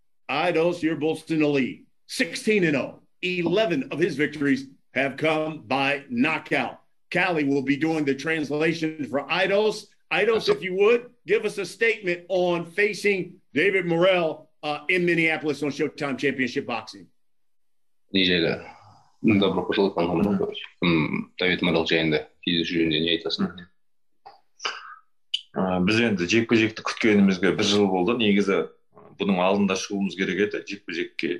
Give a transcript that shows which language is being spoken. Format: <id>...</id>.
<en>Idos Yerbasinoli, 16-0. 11 of his victories have come by knockout. Callie will be doing the translation for Idos. Idos, if you would, give us a statement on facing David Morrell in Minneapolis on Showtime Championship Boxing.</en> <ru>DJ, добро пожаловать на номер.</ru> <kk>David Morrell жайында кездесу жөнінде не айтасың? Біз енді жекпе-жекті күткенімізге бір жыл болды. Негізі бұның алдында шығуымыз керек еді жекпе-жекке.</kk>